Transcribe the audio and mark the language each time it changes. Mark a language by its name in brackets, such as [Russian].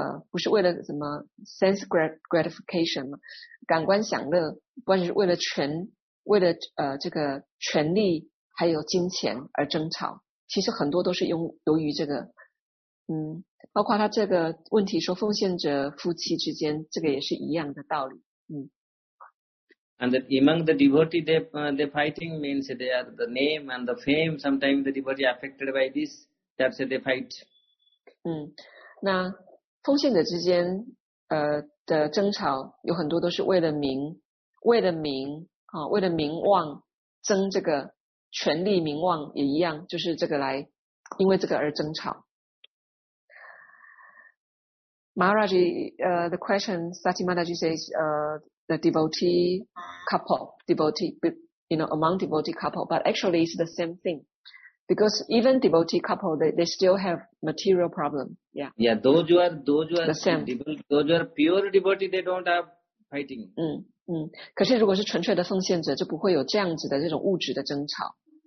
[Chinese] 不是为了什么 [English] sense gratification [Chinese] 嘛，感官享乐，不管是为了权，为了这个权力还有金钱而争吵，其实很多都是由于这个，包括他这个问题说奉献者夫妻之间，这个也是一样的道理。 [English] And that among the devotee, they fighting means they are the name and the fame. Sometimes the devotee affected by this, that's why they fight. [Chinese] 那奉献者之间的争吵有很多都是为了名，为了名啊，为了名望争这个权力，名望也一样，就是这个来因为这个而争吵。 [English] Maharaj, the question Sati Mataji says, the devotee couple, among devotee couple, but actually it's the same thing. Because even devotee couple, they still have material problem. Yeah. Yeah, those who are the same. Those who are pure devotee, they don't have fighting. [Chinese] 可是如果是纯粹的奉献者，就不会有这样子的这种物质的争吵。